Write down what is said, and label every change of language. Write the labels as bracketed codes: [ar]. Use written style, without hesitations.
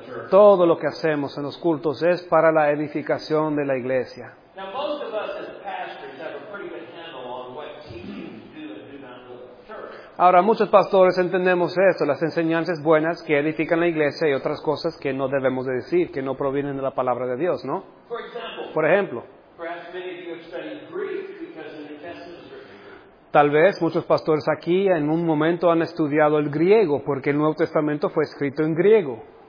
[es] Todo lo que hacemos en los cultos es para la edificación de la iglesia. [en] Now, most of us as pastors have a pretty good handle on what teachings do and do not do in the church. [es] Ahora, muchos pastores entendemos esto, las enseñanzas buenas que edifican la iglesia y otras cosas que no debemos de decir, que no provienen de la palabra de Dios, ¿no? Por ejemplo, [en] perhaps many of you have studied Greek because of the testimony. [es] Tal vez muchos pastores aquí en un momento han estudiado el griego porque el Nuevo Testamento fue escrito en griego.